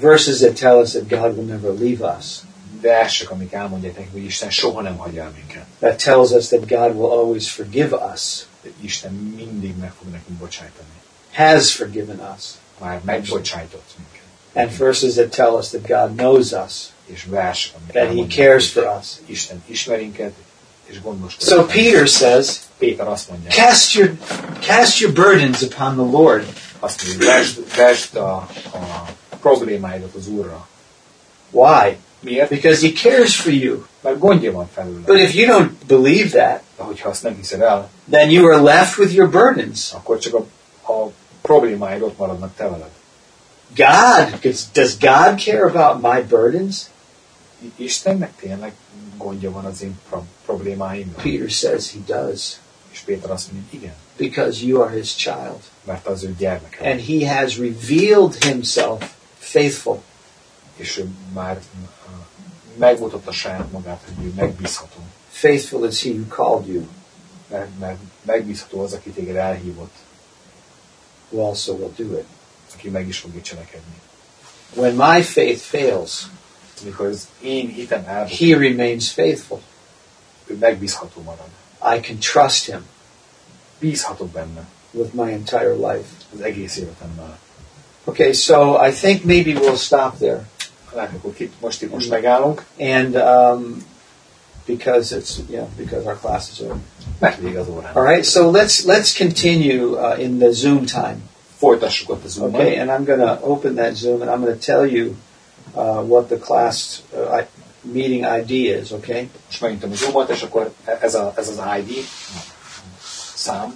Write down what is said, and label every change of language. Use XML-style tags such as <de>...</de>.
<en>Verses that tell us that God will never leave us.</en> <hu>Versek, amik elmondják nekünk, hogy Isten soha nem hagyja el minket.</hu> <en>That tells us that God will always forgive us.</en> <hu>De Isten mindig meg fog nekünk bocsájtani.</hu> <en>Has forgiven us.</en> <hu>Már megbocsájtott minket.</hu> <en>And verses that tell us that God knows us.</en> <hu>És versek, amik</hu> <en>that He cares for us.</en> <hu>Isten ismer minket.</hu> <en>So Peter says, cast your burdens upon the Lord.</en> <hu>Azt mondja, vesd a problémáidat az Úrra.</hu> <en>Why?</en> <hu>Miért?</hu> <en>Because He cares for you.</en> <hu>Mert gondja van felőle.</hu> <en>But if you don't believe that,</en> <hu>hogyha azt nem hiszed el,</hu> <en>then you are left with your burdens.</en> <hu>Akkor csak a problémáid ott maradnak te veled.</hu> <en>God, does God care about my burdens?</en> <hu>Istennek tényleg gondja van az én problémáimra.</hu> <en>Peter says he does.</en> <hu>És Péter azt mondja, igen.</hu> <en>Because you are his child.</en> <hu>Mert az ő gyermeke.</hu> <en>And he has revealed himself faithful.</en> <hu>És ő már megmutatta saját magát, hogy ő megbízható.</hu> <en>Faithful is he who called you.</en> <hu>Mert megbízható az, aki téged elhívott.</hu> <en>Who also will do it.</en> <hu>Aki meg is fogja cselekedni.</hu> <en>When my faith fails,</en> <hu>because én hitem elbukik.</hu> <en>He remains faithful.</en> <hu>Ő megbízható marad.</hu> <en>I can trust him.</en> <hu>Bízhatok benne.</hu> <en>With my entire life.</en> <hu>Az egész életemmel.</hu> <en>Okay, so I think maybe we'll stop there.</en> <hu>Lát, akkor most megállunk.</hu> <en>And because our classes are.</en> <hu>Mert vég az órán.</hu> <en>All right, so let's continue in the Zoom time.</en> <hu>Folytassuk ott a Zoom-on.</hu> <en>Okay, and I'm gonna open that Zoom and I'm gonna tell you what the class meeting ID is, okay?</en> <hu>Most megnyitom a Zoom-ot, és akkor ez az ID szám.</hu>